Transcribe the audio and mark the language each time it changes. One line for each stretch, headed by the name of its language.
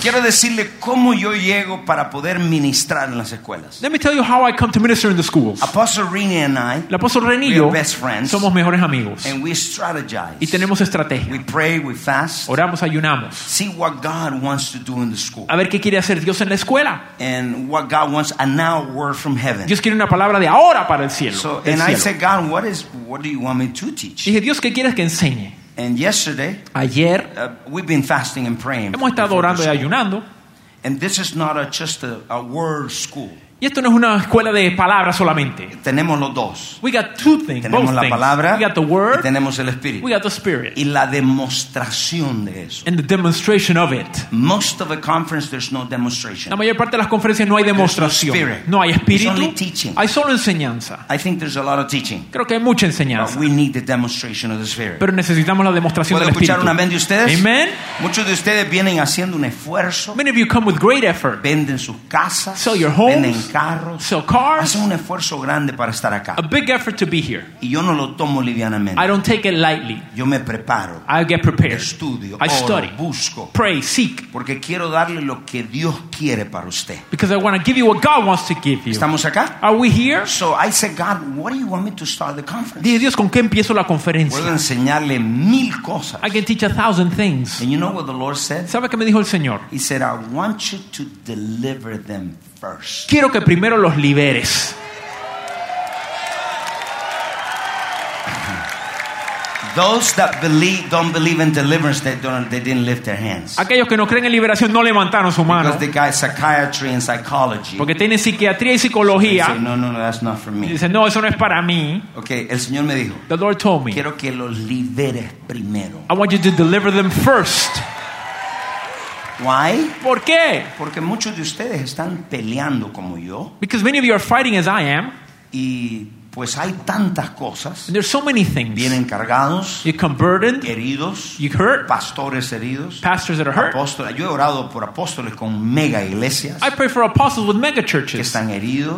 Spanish: Quiero decirle cómo yo llego para poder ministrar en las escuelas.
English: Let me tell you how I come to minister in the schools. Apostle Rene and I,
Spanish: el apóstol Rene y yo,
English: best friends,
Spanish: somos mejores amigos.
English: And we strategize.
Spanish: Y tenemos estrategia.
English: We pray, we fast.
Spanish: Oramos, ayunamos.
English: See what God wants to do in the school.
Spanish: A ver qué quiere hacer Dios en la escuela.
English: And what God wants a now word from heaven.
Spanish: Dios quiere una palabra de ahora para el cielo.
English: So, and I said, God, what do you want me to teach?
Spanish: Dije, Dios, ¿qué quieres que enseñe?
English: And yesterday,
Spanish: ayer,
English: we've been fasting and praying.
Spanish: Hemos estado orando y ayunando.
English: And this is not just a word school.
Spanish: Y esto no es una escuela de palabras solamente. Tenemos los dos.
English: We got two things.
Spanish: Tenemos
English: both
Spanish: la palabra.
English: We got the word.
Spanish: Y tenemos el espíritu.
English: We got the spirit.
Spanish: Y la demostración de eso.
English: And the demonstration of it. Most of the conference there's no demonstration.
Spanish: La mayor parte de las conferencias no hay demostración.
English: There's no spirit.
Spanish: No hay espíritu.
English: It's only teaching.
Spanish: Hay solo enseñanza.
English: I think there's a lot of teaching.
Spanish: Creo que hay mucha enseñanza.
English: But we need the demonstration of the spirit.
Spanish: Pero necesitamos la demostración del espíritu. ¿Puedo escuchar un amén de ustedes?
English: Amen.
Spanish: Muchos de ustedes vienen haciendo un esfuerzo.
English: Many of you come with great effort.
Spanish: Venden sus casas.
English: Sell your homes.
Spanish: Carros,
English: sell cars.
Spanish: Hace un esfuerzo grande para estar acá.
English: A big effort to be here.
Spanish: Y yo no lo tomo livianamente.
English: I don't take it lightly.
Spanish: Yo me preparo.
English: I get prepared.
Spanish: Estudio,
English: I
Spanish: oro,
English: study.
Spanish: Busco.
English: Pray, seek.
Spanish: Porque quiero darle lo que Dios quiere para usted.
English: Because I want to give you what God wants to give you.
Spanish: ¿Estamos acá?
English: Are we here? So I said, God, what do you want me to start the conference?
Spanish: Dije, Dios, ¿con qué empiezo la conferencia? Puedo enseñarle mil cosas.
English: I can teach a thousand things. And you know what the Lord said?
Spanish: ¿Sabe qué me dijo el Señor?
English: He said, I want you to deliver them first.
Spanish: Quiero que primero los liberes.
English: Those that believe don't believe in deliverance, they didn't lift their hands.
Spanish: Aquellos que no creen en liberación no levantaron su mano.
English: Because they got psychiatry and psychology.
Spanish: Porque tienen psiquiatría y psicología.
English: Say, no, that's not for me.
Spanish: Dicen, no, eso no es para mí. Okay, el Señor me dijo.
English: The Lord told me.
Spanish: Quiero que los liberes primero.
English: I want you to deliver them first. Why?
Spanish: ¿Por qué? Porque muchos de ustedes están peleando como yo.
English: Because many of you are fighting as I am.
Spanish: Y pues hay tantas cosas.
English: There's so many things.
Spanish: Vienen cargados.
English: You come burdened.
Spanish: Heridos.
English: You hurt.
Spanish: Pastores heridos.
English: Pastors that are hurt.
Spanish: Apóstoles. Yo he orado por apóstoles con mega iglesias.
English: I pray for apostles with mega churches.
Spanish: Que están heridos.